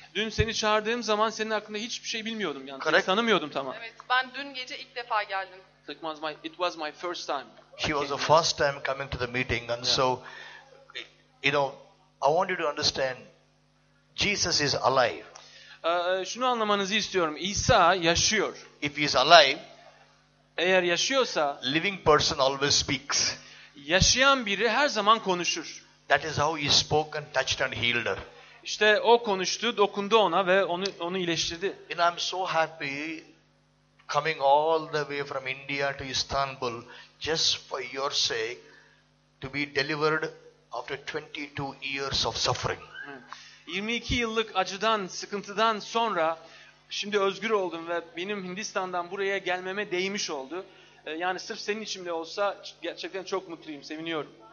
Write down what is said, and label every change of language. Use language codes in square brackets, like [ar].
[tr] Dün seni çağırdığım zaman senin hakkında hiçbir şey bilmiyordum yani. [en] Correct. [tr] Tanımıyordum tamam. Evet, ben dün gece ilk defa geldim. [en] It was my first time. She was the first time coming to the meeting and yeah. So you know, I want you to understand Jesus is alive. [tr] Şunu anlamanızı istiyorum. İsa yaşıyor. [en] If he is alive, [tr] eğer yaşıyorsa, [en] living person always speaks. [tr] Yaşayan biri her zaman konuşur. [en] That is how he spoke and touched and healed her. [tr] İşte o konuştu, dokundu ona ve onu iyileştirdi. [en] And I'm so happy coming all the way from India to Istanbul just for your sake to be delivered after 22 years of suffering. [tr] 22 yıllık acıdan, sıkıntıdan sonra şimdi özgür oldum ve benim Hindistan'dan buraya gelmeme değmiş oldu. Yani sırf senin için de olsa gerçekten çok mutluyum, seviniyorum.